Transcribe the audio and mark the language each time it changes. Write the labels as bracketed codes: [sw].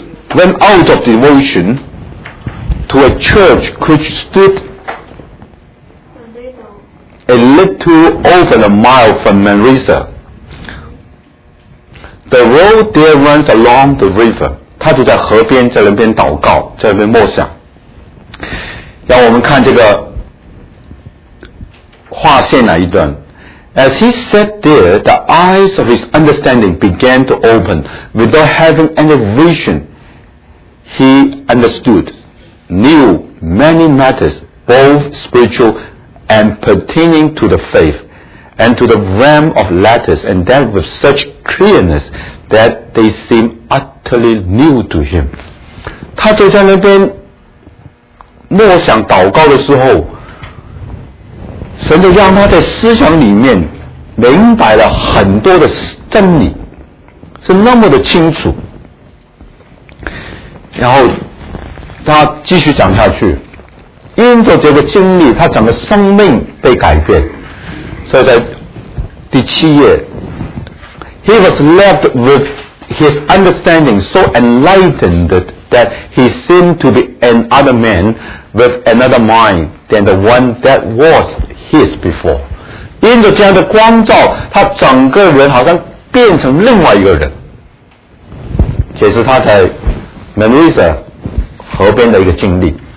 [en] Went out of devotion to a church which stood a little over a mile from Manresa. The road there runs along the river. [zh] 他就在河边，在那边祷告，在那边默想。让我们看这个划线哪一段。 [en] As he sat there, the eyes of his understanding began to open. Without having any vision, he understood, knew many matters, both spiritual and pertaining to the faith, and to the realm of letters, and that with such clearness that they seemed utterly new to him. [zh] 他就在那边默想祷告的时候，神就让他在思想里面明白了很多的真理，是那么的清楚。然后他继续讲下去，因着这个经历，他整个生命被改变。所以在第七页， [en] He was left with his understanding so enlightened that he seemed to be another manwith another mind than the one that was his before. [zh] 因着这样的光照，他整个人好像变成另外一个人。这是他在 Manresa 河边的一个经历。